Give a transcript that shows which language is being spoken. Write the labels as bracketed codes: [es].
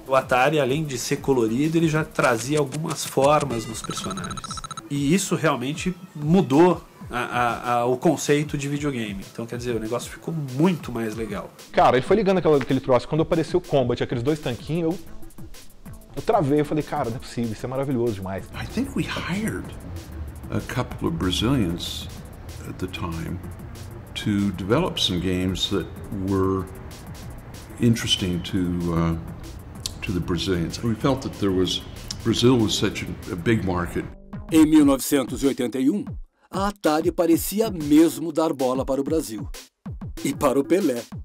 [pt] O Atari, além de ser colorido, ele já trazia algumas formas nos personagens. E isso realmente mudou o conceito de videogame. Então, quer dizer, o negócio ficou muito mais legal. Cara, ele foi ligando aquele troço. Quando apareceu o Combat, aqueles dois tanquinhos, eu travei. Eu falei, cara, não é possível. Isso é maravilhoso demais. [en] I think we hired a couple of Brazilians at the time to develop some games that were interesting to the Brazilians. We felt that there was Brazil was such a big market. [pt] Em 1981, a Atari parecia mesmo dar bola para o Brasil e para o Pelé.